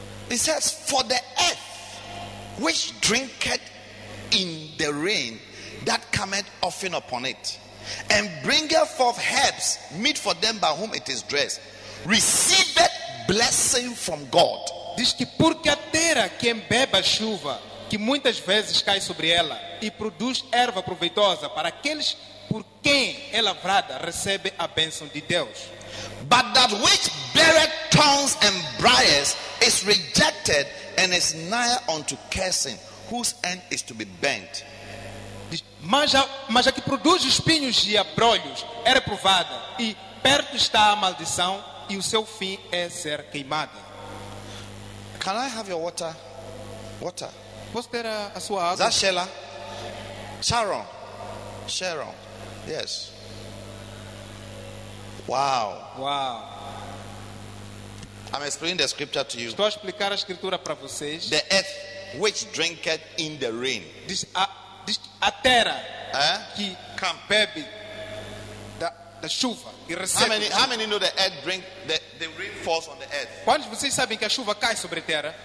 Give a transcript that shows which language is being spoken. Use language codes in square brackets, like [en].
[en] It says, for the earth which drinketh in the rain that cometh often upon it, and bringeth forth herbs meet for them by whom it is dressed, receiveth blessing from God. [pt] Diz que porque a terra quem bebe a chuva, que muitas vezes cai sobre ela, e produz erva proveitosa para aqueles por quem é lavrada, recebe a bênção de Deus. [en] But that which beareth thorns and briars is rejected and is nigh unto cursing, whose end is to be burnt. [pt] Mas a que produz espinhos e abrolhos é reprovada, e perto está a maldição, e o seu fim é ser queimada. [en] Can I have your water? Water. [pt] Posso ter a sua água? [en] That Sheila? Sharon. Sharon. Yes. Wow. Wow. I'm explaining the scripture to you. [pt] Estou a explicar a escritura para vocês. [en] The earth which drinketh in the rain. [pt] A terra que bebe da chuva. [en] How many know the earth drink the rain falls on the earth? [pt] Quantos vocês sabem que a chuva cai sobre a terra?